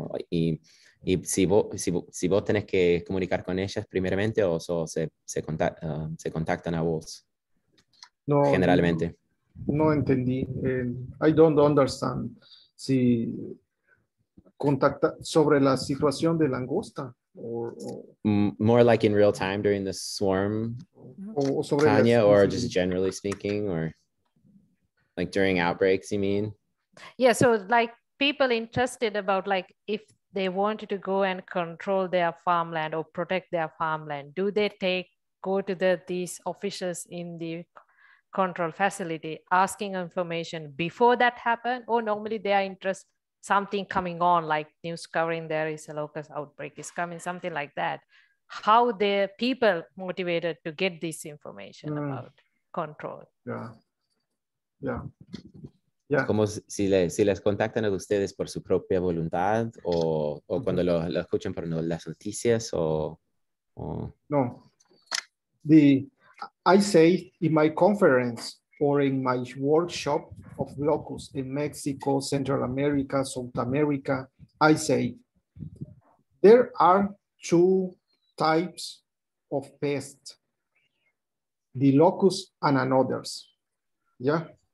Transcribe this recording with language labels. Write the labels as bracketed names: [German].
[Spanish] Y si vos tenés que comunicar con ellas primeramente o solo se contactan a vos no, generalmente. No. No entendí. [English] I don't understand. [Spanish] Si contacta sobre la situación de langosta or [English] more like in real time during the swarm, [Spanish] o sobre [English] Tanya, or just generally speaking, or like during outbreaks, you mean? Yeah, so like people interested about like if they wanted to go and control their farmland or protect their farmland, do they go to these officials in the control facility asking information before that happened, or normally they are interested something coming on like news covering there is a locust outbreak is coming, something like that? How the people motivated to get this information about control? Yeah. [Spanish] Como si les contactan a ustedes por su propia voluntad o cuando lo escuchan por las noticias o no. [English] The I say in my conference or in my workshop of locusts in Mexico, Central America, South America, I say there are two types of pests, the locusts and others. Yeah.